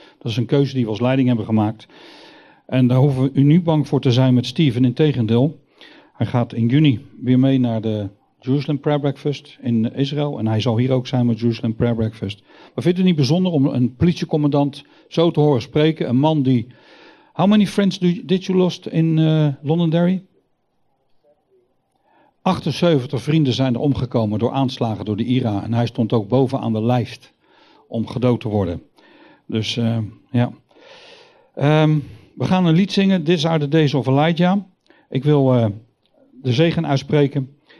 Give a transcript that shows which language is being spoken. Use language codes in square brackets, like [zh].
[nl] Dat is een keuze die we als leiding hebben gemaakt. En daar hoeven we nu bang voor te zijn met Steven. Integendeel, hij gaat in juni weer mee naar de Jerusalem Prayer Breakfast in Israël. En hij zal hier ook zijn met Jerusalem Prayer Breakfast. Maar vindt u het niet bijzonder om een politiecommandant zo te horen spreken? Een man die, [en] how many friends did you lost in Londonderry? [nl] 78 vrienden zijn er omgekomen door aanslagen door de IRA. En hij stond ook bovenaan de lijst om gedood te worden. Dus ja. We gaan een lied zingen. [en] This are the days of Elijah. [nl] Ik wil de zegen uitspreken.